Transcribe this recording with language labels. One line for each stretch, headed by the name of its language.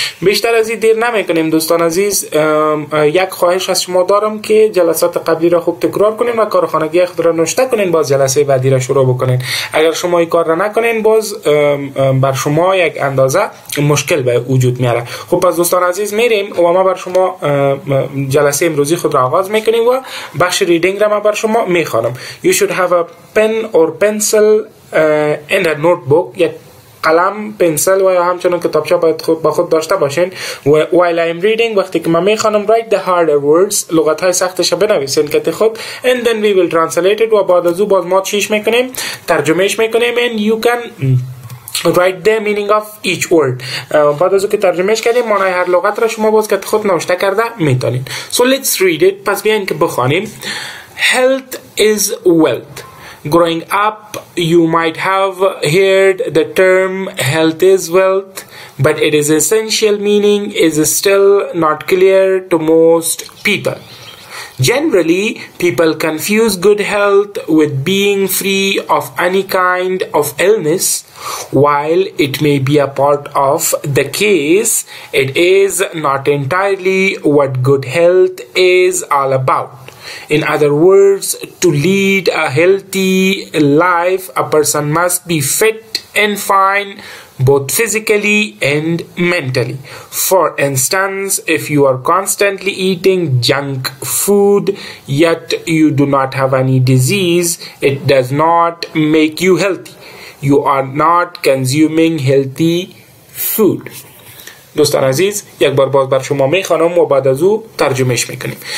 Persian: بیشتر از این دیر نمیکنیم دوستان عزیز، یک خواهش از شما دارم که جلسات قبلی را خوب تکرار کنین و کارخانگی خود را نوشته کنین، باز جلسه بعدی را شروع بکنین. اگر شما این کار را نکنین، باز بر شما یک اندازه مشکل به وجود میاره. خب پس دوستان عزیز، میریم و ما بر شما جلسه امروزی خود را آغاز میکنیم و بخش ریدینگ را ما بر شما میخوانم.
English: You should have a pen or pencil and a notebook.
Persian: قلم، پنسل و یا همچنان کتابچه باید خود با خود داشته باشین.
English: While I am reading،
Persian: وقتی که ما میخوانم،
English: write the harder words،
Persian: لغت های سختش را بنویسین کت خود.
English: And then we will translate it،
Persian: و بعد از او باز ما چیش میکنیم، ترجمهش میکنیم.
English: And you can write the meaning of each word.
Persian: بعد از او که ترجمهش کردیم، معنای هر لغت را شما باز کت خود نوشته کرده میتونین.
English: So let's read it.
Persian: پس بیاین که بخوانیم.
English: Health is wealth. Growing up, you might have heard the term health is wealth, but its essential meaning is still not clear to most people. Generally, people confuse good health with being free of any kind of illness. While it may be a part of the case, it is not entirely what good health is all about. In other words, to lead a healthy life, a person must be fit and fine, both physically and mentally. For instance, if you are constantly eating junk food, yet you do not have any disease, it does not make you healthy. You are not consuming healthy food.
Persian: دوستان عزیز، یک بار باز بر شما میخوانم و بعد از او ترجمهش میکنیم.